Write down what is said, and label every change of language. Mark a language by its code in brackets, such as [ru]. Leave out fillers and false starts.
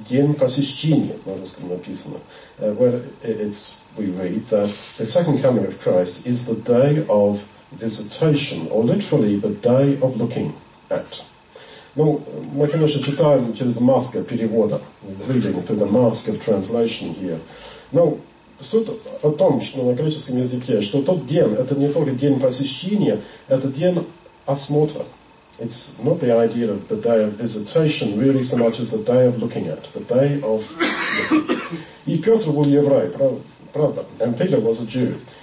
[ru] День посещения, на русском написано. [en] Where it's, we read that the second coming of Christ is the day of visitation, or literally, the day of looking at. [ru] Ну, мы, конечно, читаем через [en] mask of [ru] перевода, [en] reading through the mask of translation here. [ru] Но суть о том, что на греческом языке, что тот день, это не только день посещения, это день осмотра. [en] It's not the idea of the day of visitation really so much as the day of looking at, the day of looking. [ru] И Петр был еврей, правда, [en] and Peter was a Jew.